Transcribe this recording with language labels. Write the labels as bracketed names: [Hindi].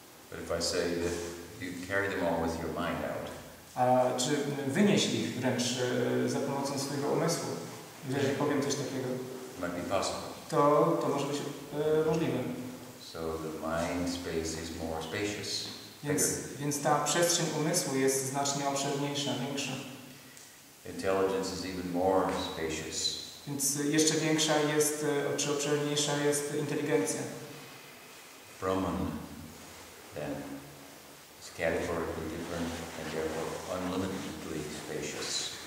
[English] But if I say that you carry them all with your mind out. [Polish] A czy wynieść ich wręcz za pomocą swojego umysłu? Jeżeli powiem coś takiego. [English] Might be possible. [Polish] To może być możliwe. [English] So the mind space is more spacious. [Polish] Więc ta przestrzeń umysłu jest znacznie obszerniejsza, większa. [English] Intelligence is even more spacious. [Polish] Więc jeszcze większa jest, czy obszerniejsza jest inteligencja. [English] Brahman then is categorically different and therefore unlimitedly spacious.